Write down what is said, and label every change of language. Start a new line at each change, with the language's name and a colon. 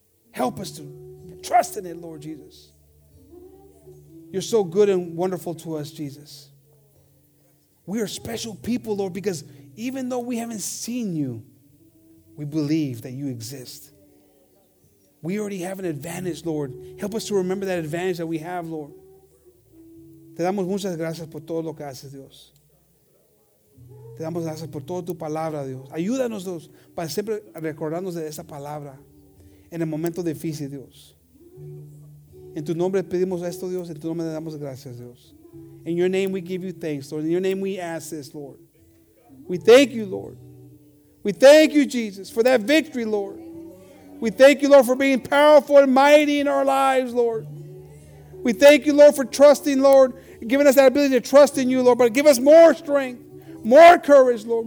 English: Help us to trust in it, Lord Jesus. You're so good and wonderful to us, Jesus. We are special people, Lord, because even though we haven't seen you, we believe that you exist. We already have an advantage, Lord. Help us to remember that advantage that we have, Lord.
Spanish: Te damos muchas gracias por todo lo que haces, Dios. Te damos gracias por toda tu palabra, Dios. Ayúdanos, Dios, para siempre recordarnos de esa palabra en el momento difícil, Dios. En tu nombre pedimos esto, Dios. En tu nombre le damos gracias, Dios.
English: In your name we give you thanks, Lord. In your name we ask this, Lord. We thank you, Lord. We thank you, Jesus, for that victory, Lord. We thank you, Lord, for being powerful and mighty in our lives, Lord. We thank you, Lord, for trusting, Lord, giving us that ability to trust in you, Lord. But give us more strength, more courage, Lord.